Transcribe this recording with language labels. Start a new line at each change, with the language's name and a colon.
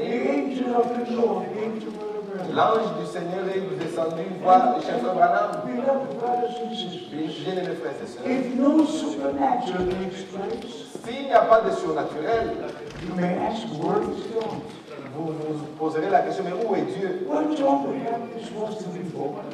English: The angel of the Lord came to Will Branham.
French: L'ange du Seigneur est descendu voir Charles Branham.
English: Beloved brothers and sisters.
French: Bien-aimés frères et sœurs.
English: If no supernatural takes place.
French: S'il n'y a pas de surnaturel,
English: you may ask, where is God?
French: Vous vous poserez la question, mais où est Dieu?
English: When John the Baptist was to be born,